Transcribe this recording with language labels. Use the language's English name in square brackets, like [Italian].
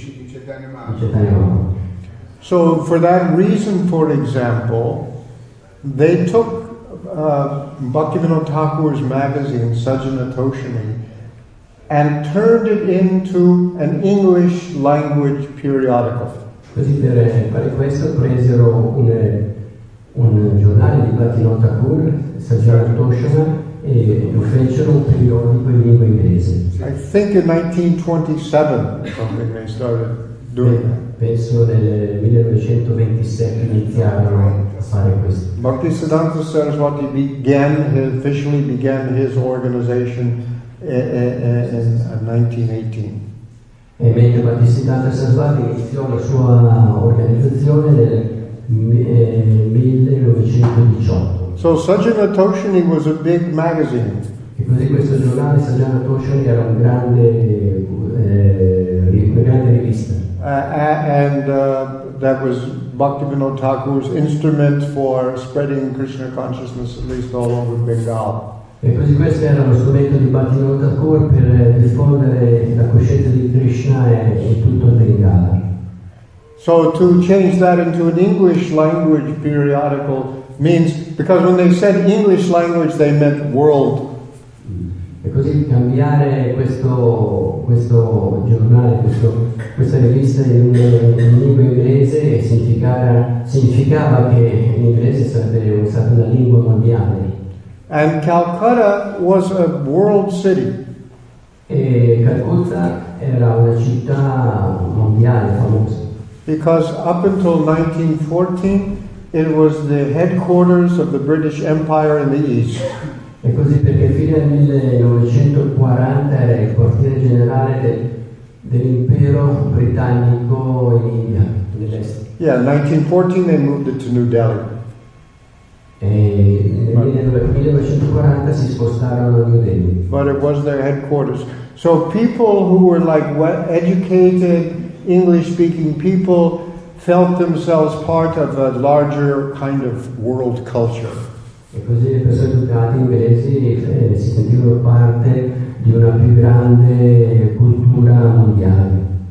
[English] So for that reason, for example, they took Bhaktivinoda Thakur's magazine, Sajjana Toshini, and turned it into an English language periodical. [Italian] Così per fare questo presero un giornale di Bhaktivinoda Thakur, Sajjana Toshini, e lo fecero un periodico in lingua inglese. [English] I think in 1927 something they started doing. [Italian] Penso nel 1927 iniziarono a fare questo. [English] Bhaktisiddhanta Saraswati officially began his organization in 1918. [Italian] E mentre Bhaktisiddhanta Saraswati iniziò la sua organizzazione nel 1918. [English] So Sajjana Toshini was a big magazine. [Italian] E così questo giornale Sajjana Toshini era un grande, una grande rivista. [English] That was Bhaktivinoda Thakur's instrument for spreading Krishna consciousness at least all over Bengal. [Italian] E così questo era lo strumento di Bhaktivinoda Thakur per diffondere la coscienza di Krishna e tutto il Bengal. [English] So to change that into an English language periodical means, because when they said English language, they meant world. [Italian] E così cambiare questo giornale, questa rivista in lingua inglese significava che l'inglese sarebbe usata una lingua mondiale. [English] And Calcutta was a world city. [Italian] E Calcutta era una città mondiale famosa. [English] Because up until 1914, it was the headquarters of the British Empire in the East. [Italian] E così perché fino al 1940 era il quartiere generale dell'impero britannico in India, nell'est. [English] Yeah, 1914 they moved it to New Delhi. But it was their headquarters. So people who were like educated English-speaking people felt themselves part of a larger kind of world culture. [Italian] E così le persone educate inglesi si sentivano parte di una più grande cultura mondiale.